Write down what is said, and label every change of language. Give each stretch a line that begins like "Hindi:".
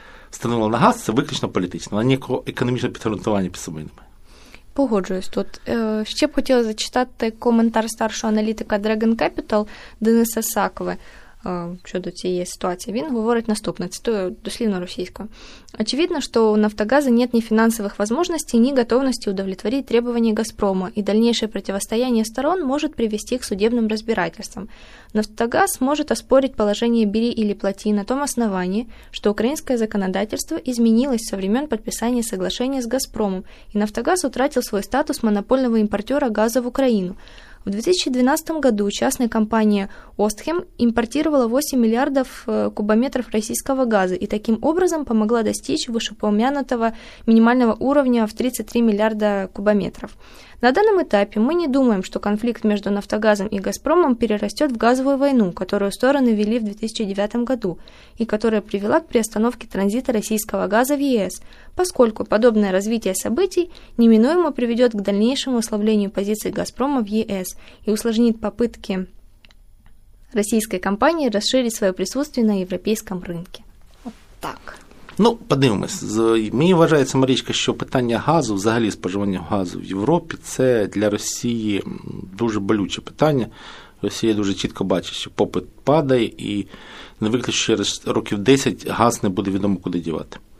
Ukrainian: встановила на газ, це виключно політично, але ніякого економічного підґрунтування під собою немає. Погоджуюсь тут. Ще б хотіла зачитати коментар старшого аналітика Dragon Capital Дениса Сакове щодо цієї ситуації. Він говорить наступне, цитую дослівно російською.
Russian: Очевидно, что у «Нафтогаза» нет ни финансовых возможностей, ни готовности удовлетворить требования «Газпрома», и дальнейшее противостояние сторон может привести к судебным разбирательствам. «Нафтогаз» может оспорить положение «бери или плати» на том основании, что украинское законодательство изменилось со времен подписания соглашения с «Газпромом», и «Нафтогаз» утратил свой статус монопольного импортера газа в Украину. В 2012 году частная компания «Остхем» импортировала 8 миллиардов кубометров российского газа и таким образом помогла достичь вышеупомянутого минимального уровня в 33 миллиарда кубометров. На данном этапе мы не думаем, что конфликт между «Нафтогазом» и «Газпромом» перерастет в газовую войну, которую стороны вели в 2009 году и которая привела к приостановке транзита российского газа в ЕС, поскольку подобное развитие событий неминуемо приведет к дальнейшему ослаблению позиций «Газпрома» в ЕС и усложнит попытки российской компании расширить свое присутствие на европейском рынке. Вот так.
Ukrainian: Ну, подивимось. Мені вважається, Марічка, що питання газу, взагалі споживання газу в Європі, це для Росії дуже болюче питання. Росія дуже чітко бачить, що попит падає, і не виключно, через років 10 газ не буде відомо куди дівати.